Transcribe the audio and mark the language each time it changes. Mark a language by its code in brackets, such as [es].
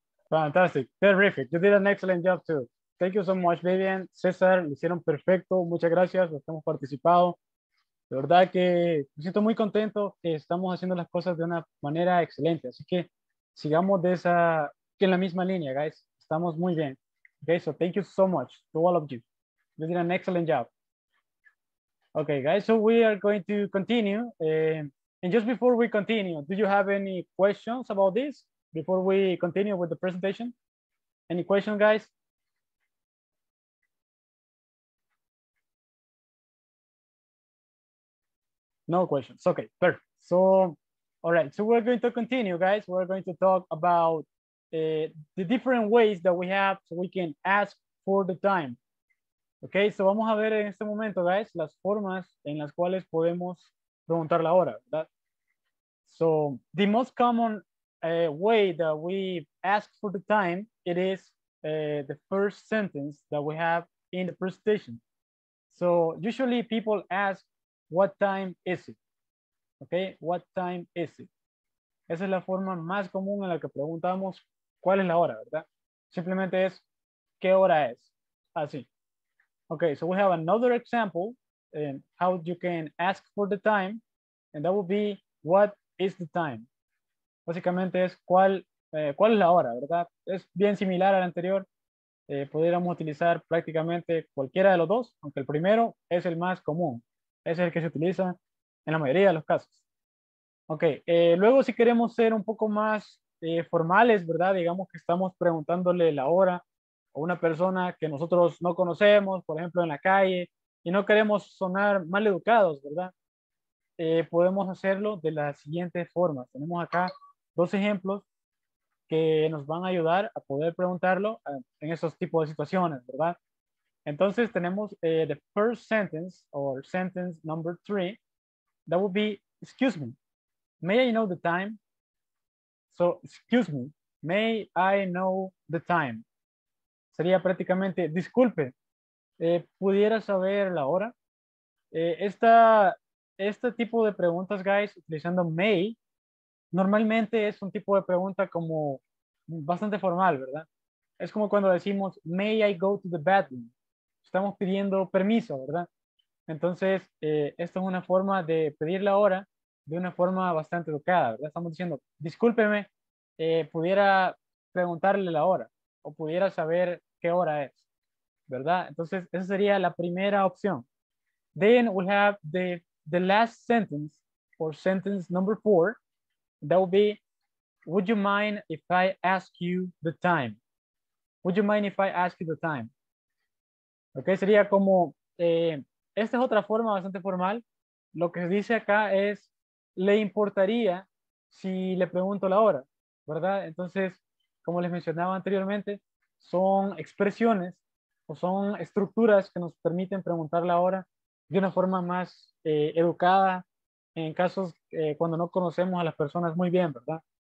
[en] Fantastic, terrific, you did an excellent job too. Thank you so much, Vivian. [es] César, lo hicieron perfecto, muchas gracias, los que hemos participado. De verdad que me siento muy contento que estamos haciendo las cosas de una manera excelente, así que sigamos de esa, en la misma línea, guys. Estamos muy bien. [en] Okay, so thank you so much to all of you. You did an excellent job. Okay, guys, so we are going to continue. And just before we continue, do you have any questions about this? Before we continue with the presentation, any question, guys? No questions. Okay, perfect. So, all right. So we're going to continue, guys. We're going to talk about the different ways that we have so we can ask for the time. Okay, so [es] vamos a ver en este momento, guys, las formas en las cuales podemos preguntar la hora, ¿verdad? [en] So, the most common way that we ask for the time, it is the first sentence that we have in the presentation. So, usually people ask, what time is it? Okay, what time is it? [es] Esa es la forma más común en la que preguntamos cuál es la hora, ¿verdad? Simplemente es, ¿qué hora es? Así. [en] Okay, so we have another example in how you can ask for the time, and that would be, what is the time? [es] Básicamente es, ¿cuál es la hora, verdad? Es bien similar al anterior. Pudiéramos utilizar prácticamente cualquiera de los dos, aunque el primero es el más común. Es el que se utiliza en la mayoría de los casos. Okay, luego si queremos ser un poco más formales, ¿verdad? Digamos que estamos preguntándole la hora a una persona que nosotros no conocemos, por ejemplo, en la calle, y no queremos sonar mal educados, ¿verdad? Podemos hacerlo de la siguiente forma. Tenemos acá dos ejemplos que nos van a ayudar a poder preguntarlo en esos tipos de situaciones, ¿verdad? Entonces tenemos [en] the first sentence, or sentence number three, that would be, excuse me, may I know the time? So, excuse me, may I know the time? [es] Sería prácticamente, disculpe, ¿pudiera saber la hora? Este tipo de preguntas, guys, utilizando may, normalmente es un tipo de pregunta como bastante formal, ¿verdad? Es como cuando decimos, [en] may I go to the bathroom? [es] Estamos pidiendo permiso, ¿verdad? Entonces, esto es una forma de pedir la hora de una forma bastante educada, ¿verdad? Estamos diciendo, discúlpeme, ¿pudiera preguntarle la hora? O pudiera saber qué hora es, ¿verdad? Entonces, esa sería la primera opción. [en] Then we have the last sentence, or sentence number four, that would be, would you mind if I ask you the time? Would you mind if I ask you the time? [es] Ok, sería como, esta es otra forma bastante formal. Lo que se dice acá es, le importaría si le pregunto la hora, ¿verdad? Entonces, como les mencionaba anteriormente, son expresiones o son estructuras que nos permiten preguntar la hora de una forma más educada en casos cuando no conocemos a las personas muy bien, ¿verdad?